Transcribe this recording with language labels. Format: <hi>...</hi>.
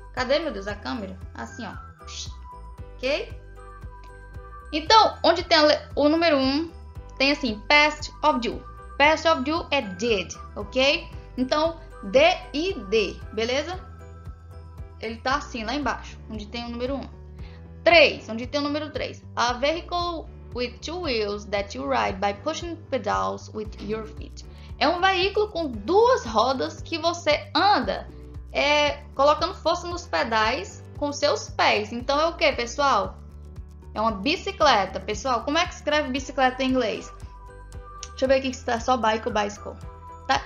<pt>Cadê, meu Deus, a câmera? Assim, ó. Ok? Então, onde tem o número 1, tem assim,</pt> <en>past of due. Past of due</en> <pt>é did, ok? Então, D-I-D, beleza? Ele tá assim, lá embaixo, onde tem o número 1. 3, onde tem o número 3.</pt> <en>A vehicle with two wheels that you ride by pushing pedals with your feet.</en> <pt>É um veículo com duas rodas que você anda colocando força nos pedais com seus pés. Então é o quê, pessoal? É uma bicicleta. Pessoal, como é que escreve bicicleta em inglês? Deixa eu ver aqui se tá só bike ou bicycle. Tá?</pt>